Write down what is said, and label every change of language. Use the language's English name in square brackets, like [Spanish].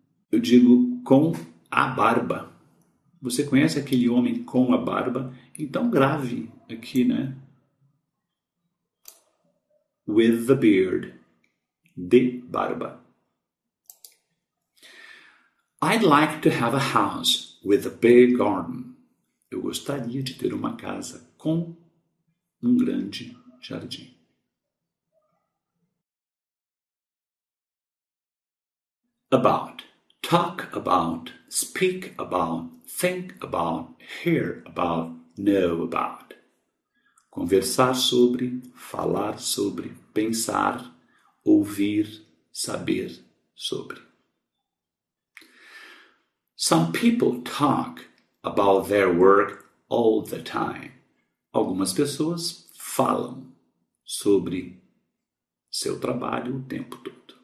[Portuguese] Eu digo com a barba. Você conhece aquele homem com a barba? Então grave aqui, né? [English] With the beard. [Portuguese] De barba. [English] I'd like to have a house with a big garden. [Portuguese] Eu gostaria de ter uma casa com um grande jardim. [English] About, talk about, speak about, think about, hear about, know about. [Portuguese] Conversar sobre, falar sobre, pensar, ouvir, saber sobre. [English] Some people talk about their work all the time. [Portuguese] Algumas pessoas falam sobre seu trabalho o tempo todo.